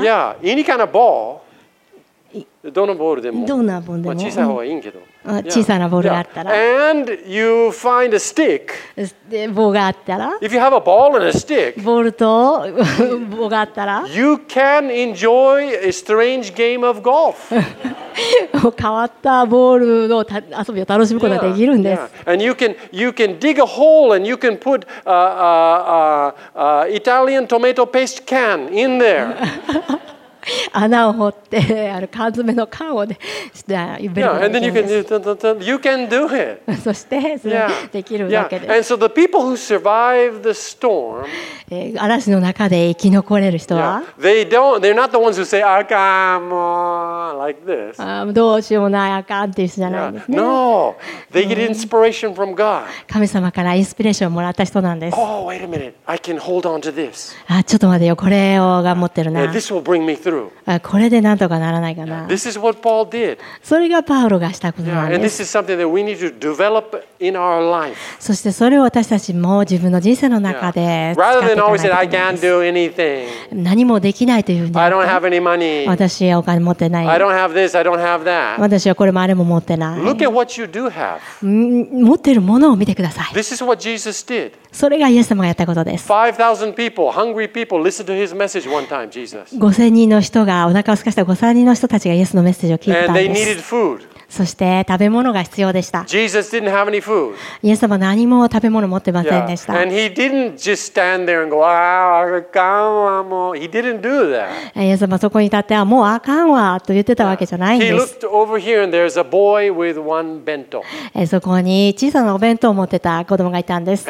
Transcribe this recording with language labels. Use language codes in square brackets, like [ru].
[en] Yeah, any kind of ball, [ja] どのボールでも、どんなボールでも、まあ、小さい方がいいんけど、小さなボールがあったら、 [en] yeah. And you find a stick. [ja] 棒があったら、 [en] If you have a ball and a stick, [ja] ボールと棒があったら、 [en] You can enjoy a strange game of golf. [ja] 変わったボールの遊びを楽しむことができるんです。 [en] Yeah. And you can dig a hole and you can put Italian tomato paste can in there. [ja] 穴を掘ってある缶詰の缶をで、ね、 [en] Yeah, and then you can do it. [ja] そしてそれできるわけです。 [en] Yeah. And so the people who survive the storm, [ja] 嵐の中で生き残れる人は、 [en] yeah. They're not the ones who say, [ja] あかんもう [en] like this. [ja] どうしようもないあかんっていう人じゃないんですね。 [en] Yeah. No, they get inspiration from God. [ja] 神様からインスピレーションをもらった人なんです。 [en] Oh, wait a minute. I can hold on to this. [ja] あ、ちょっと待てよ。これを頑張ってるな。 [en] Yeah, this will bring me. [ja] これでなんとかならないかな。 [en] This is what Paul did. [ja] それがパウロがしたことなんです。 [en] And this is something that we need to develop in our life. [ja] そしてそれを私たちも自分の人生の中で [en] Rather than always say I can't do anything. [ja] 何もできないというふうに。 [en] I don't have any money. [ja] 私はお金持ってない。 [en] I don't have this. I don't have that. [ja] 私はこれもあれも持ってない。 [en] Look at what you do have. [ja] 持ってるものを見てください。 [en] This is what Jesus did. [ja] それがイエス様がやったことです。 [en] 5000 people, hungry people, listened to his message one time, Jesus. [ja] 5000人の人がお腹を空かした5000人の人たちがイエスのメッセージを聞いたんです。 [en] And they needed food. [ja] そして食べ物が必要でした。 [en] Jesus didn't have any food. [ja] イエス様何も食べ物持ってませんでした。 [en] Yeah. And he didn't just stand there and go, ah, I can't anymore. He didn't do that. [ja] イエス様そこに立ってはもうあかんわと言ってたわけじゃないんです。 [en] He looked over here and there's a boy with one bento. [ja] そこに小さなお弁当を持ってた子供がいたんです。